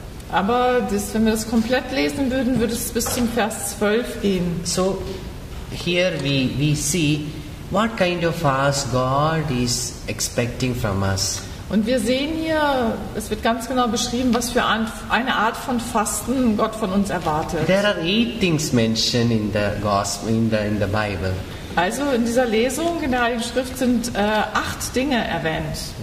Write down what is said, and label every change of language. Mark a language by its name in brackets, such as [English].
[German] Aber das, wenn wir das komplett lesen würden, würde es bis zum Vers 12 gehen. [English] So here we see what kind of fast God is expecting from us. [German] Und wir sehen hier, es wird ganz genau beschrieben, was für eine Art von Fasten Gott von uns erwartet. [English] There are 8 things mentioned in the gospel in the Bible. [German] Also in dieser Lesung in der Heiligen Schrift sind 8 Dinge erwähnt.